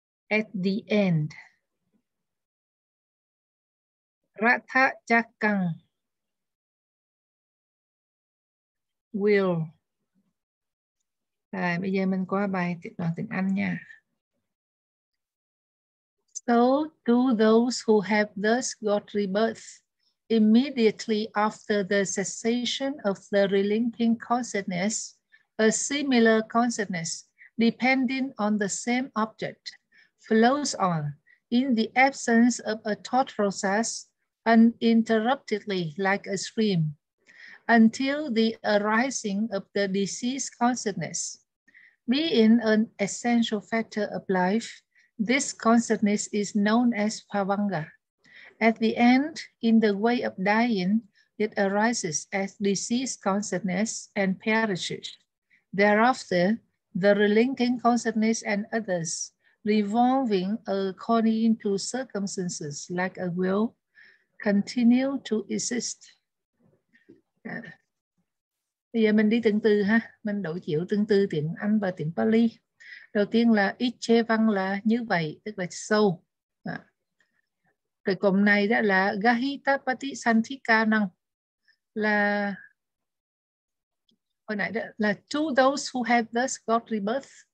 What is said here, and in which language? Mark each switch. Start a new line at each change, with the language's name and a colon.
English: At the end.
Pali: Ratthachakkang.
English: Will.
Vietnamese: Rồi, bây giờ mình qua bài tiếp đoạn tiếng Anh nha.
English: So do those who have thus got rebirth immediately after the cessation of the relinquishing consciousness, a similar consciousness depending on the same object flows on in the absence of a thought process uninterruptedly like a stream until the arising of the deceased consciousness. Being an essential factor of life, this consciousness is known as Pavanga. At the end, in the way of dying, it arises as deceased consciousness and perishes. Thereafter, the relinquishing consciousness and others, revolving according to circumstances like a will, continue to exist.
Vietnamese: Bây giờ mình đi từng từ ha, mình đổi chiếu từng từ tiếng Anh và tiếng Pali. Đầu tiên là Ichche Văn là như vậy, tức là sâu. Cái cụm này đó là Gahita Patisanthika Năng, là hồi nãy đó là
English: to those who have thus got rebirth.